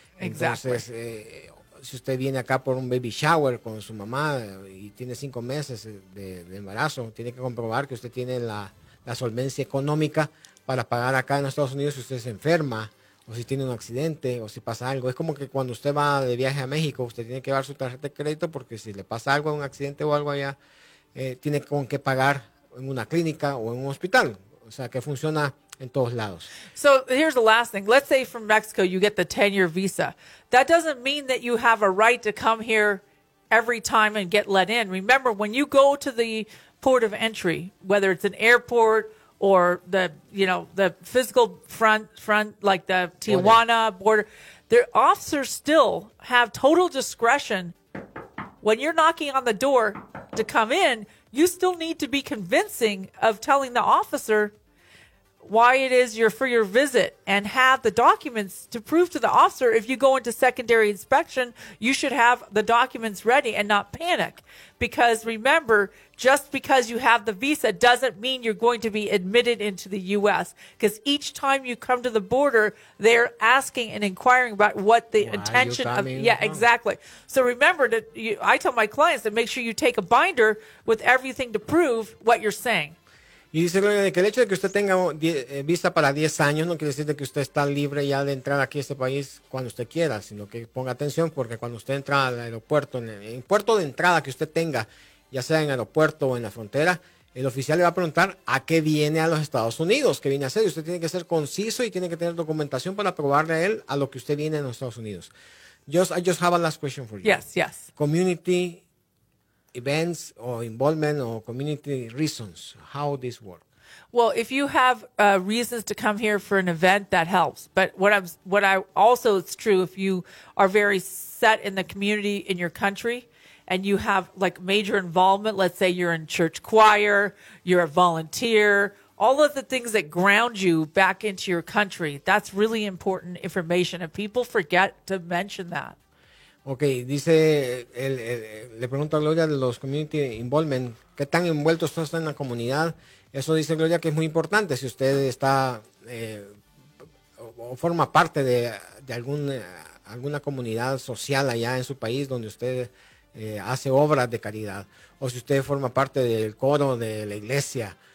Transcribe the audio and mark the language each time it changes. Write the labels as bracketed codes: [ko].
[es] Entonces, si usted viene acá por un baby shower con su mamá y tiene 5 meses de embarazo, tiene que comprobar que usted tiene la solvencia económica para pagar acá en Estados Unidos si usted se enferma o si tiene un accidente o si pasa algo. Es como que cuando usted va de viaje a México, usted tiene que llevar su tarjeta de crédito porque si le pasa algo, un accidente o algo allá, tiene con qué pagar en una clínica o en un hospital. O sea, que funciona... en todos lados. [en] So here's the last thing. Let's say from Mexico you get the 10-year visa. That doesn't mean that you have a right to come here every time and get let in. Remember, when you go to the port of entry, whether it's an airport or the physical front like the Tijuana border, the officers still have total discretion when you're knocking on the door to come in. You still need to be convincing of telling the officer why it is you're for your visit and have the documents to prove to the officer. If you go into secondary inspection, you should have the documents ready and not panic. Because remember, just because you have the visa doesn't mean you're going to be admitted into the U.S. Because each time you come to the border, they're asking and inquiring about what the intention of... Yeah, exactly. So remember, I tell my clients to make sure you take a binder with everything to prove what you're saying. [es] Y dice Gloria que el hecho de que usted tenga visa para 10 años no quiere decir que usted está libre ya de entrar aquí a este país cuando usted quiera, sino que ponga atención porque cuando usted entra al aeropuerto, en el puerto de entrada que usted tenga, ya sea en el aeropuerto o en la frontera, el oficial le va a preguntar a qué viene a los Estados Unidos, qué viene a hacer. Y usted tiene que ser conciso y tiene que tener documentación para probarle a él a lo que usted viene a los Estados Unidos. [en] I just have a last question for you. Yes, yes. Community events or involvement or community reasons, how this work? Well, if you have reasons to come here for an event, that helps. But what I also, it's true, if you are very set in the community in your country and you have like major involvement, let's say you're in church choir, you're a volunteer, all of the things that ground you back into your country, that's really important information. And people forget to mention that. [es] Okay, dice, le pregunta a Gloria de los [en] community involvement, [es] ¿qué tan envuelto está usted en la comunidad? Eso dice Gloria que es muy importante si usted está o forma parte de alguna comunidad social allá en su país donde usted hace obras de caridad, o si usted forma parte del coro de la iglesia,